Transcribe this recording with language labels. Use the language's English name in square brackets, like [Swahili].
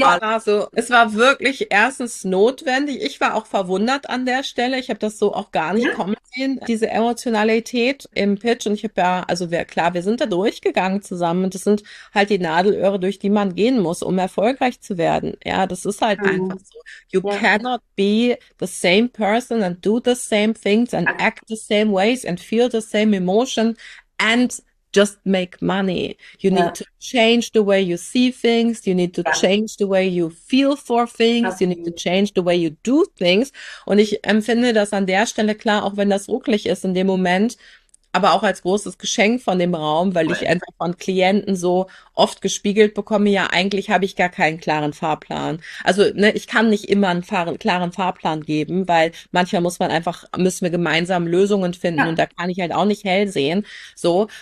[German] Also es war wirklich erstens notwendig. Ich war auch verwundert an der Stelle. Ich habe das so auch gar nicht kommen sehen, diese Emotionalität im Pitch. Und ich habe ja, also wir sind da durchgegangen zusammen. Und das sind halt die Nadelöhre, durch die man gehen muss, um erfolgreich zu werden. Ja, das ist halt einfach so. [English] You cannot be the same person and do the same things and act the same ways and feel the same emotion and just make money. You need to change the way you see things. You need to change the way you feel for things. You need to change the way you do things. [German] Und ich empfinde das an der Stelle, klar, auch wenn das ruckelig ist in dem Moment, aber auch als großes Geschenk von dem Raum, weil ich einfach von Klienten so oft gespiegelt bekomme, ja, eigentlich habe ich gar keinen klaren Fahrplan. Also, ne, ich kann nicht immer einen klaren Fahrplan geben, weil manchmal müssen wir gemeinsam Lösungen finden und da kann ich halt auch nicht hell sehen, so.